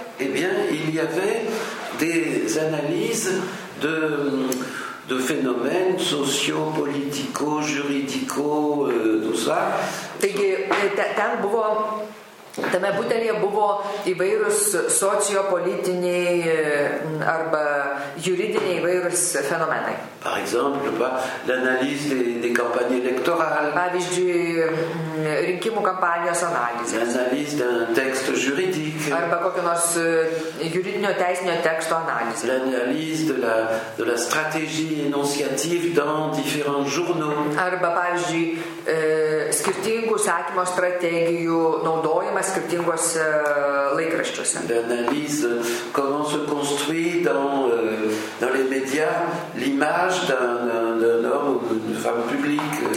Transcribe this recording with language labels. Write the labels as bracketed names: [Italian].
[French] Eh bien, il y avait des analyses de phénomènes sociopolitiques, juridiques, tout ça. [Lithuanian] Taigi, ten buvo, tame butelėje buvo įvairūs sociopolitiniai arba juridiniai įvairūs fenomenai. [French] Par exemple, l'analyse des campagnes électorales. [Lithuanian] Pavyzdžiui, rinkimų kampanijos analizė. [French] L'analyse d'un texte juridique. [Lithuanian] Arba kokio nors juridinio teisinio teksto analizė. [French] L'analyse de la stratégie énonciative dans différents journaux. [Lithuanian] Arba, pavyzdžiui, skirtingų sakymo strategijų naudojimas skirtinguose laikraščiuose. [French] L'analyse comment se construit dans les médias l'image d'un homme ou d'une femme publique.